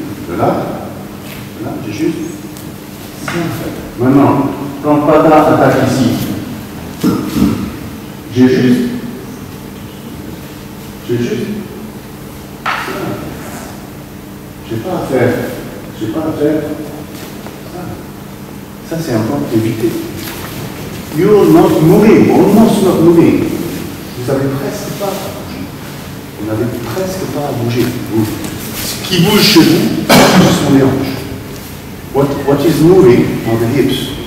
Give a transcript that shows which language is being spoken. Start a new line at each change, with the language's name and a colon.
French: De là, j'ai juste. Maintenant, quand Pada attaque ici, j'ai juste. J'ai pas à faire. Ça, c'est important d'éviter.
English: You're not moving, almost not moving.
French: Vous n'avez presque pas à bouger. Vous n'avez presque pas à bouger. Vous. Ce qui bouge chez vous, ce sont les hanches.
English: What is moving are the hips.